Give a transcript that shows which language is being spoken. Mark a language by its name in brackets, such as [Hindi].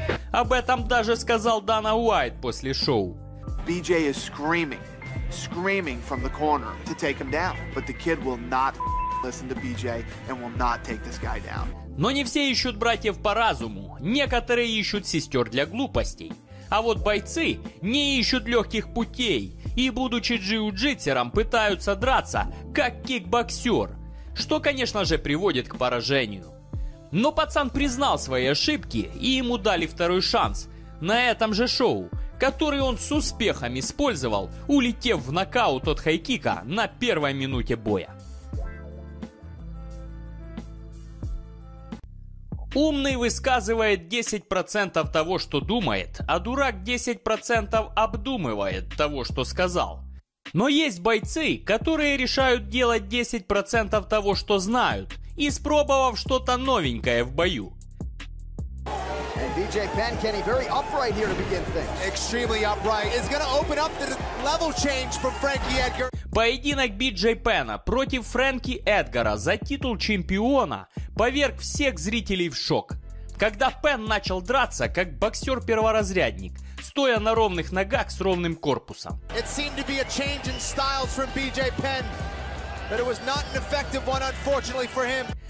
[Russian] Об этом даже сказал Дана Уайт после шоу. [English] BJ is screaming from the corner to take him down, but the kid will not listen to BJ and will not take this guy down. [Russian] Но не все ищут братьев по разуму, некоторые ищут сестер для глупостей. А вот бойцы не ищут легких путей и, будучи джиу-джитсером, пытаются драться, как кикбоксер, что, конечно же, приводит к поражению. Но пацан признал свои ошибки и ему дали второй шанс на этом же шоу, который он с успехом использовал, улетев в нокаут от хайкика на первой минуте боя. Умный высказывает 10% того, что думает, а дурак 10% обдумывает того, что сказал. Но есть бойцы, которые решают делать 10% того, что знают, испробовав что-то новенькое в бою. [English] BJ Penkenny very upright here to begin things. Extremely upright. It's going to open up the level change from Frankie Edgar. [Russian] Поединок BJ Penna против Фрэнки Эдгара за титул чемпиона поверг всех зрителей в шок. Когда Пен начал драться, как боксер-перворазрядник, стоя на ровных ногах с ровным корпусом. [English] It seemed to be a change in styles from BJ Penn, but it was not an effective one, unfortunately for him.